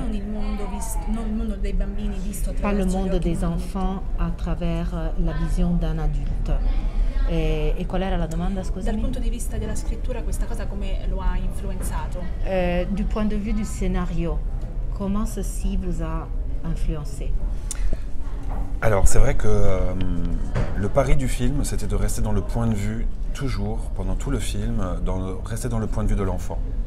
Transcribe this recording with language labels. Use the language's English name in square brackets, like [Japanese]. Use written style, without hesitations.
[Italian] Non il mondo dei bambini visto attraverso. [French] Pas le monde des enfants à travers la vision d'un adulte. [Italian] E qual era la domanda, scusami? Dal punto di vista della scrittura, questa cosa come lo ha influenzato? [French] Du point de vue du scénario, comment ceci vous a influencé? Alors, c'est vrai que le pari du film, c'était de rester dans le point de vue, toujours, pendant tout le film, rester dans le point de vue de l'enfant.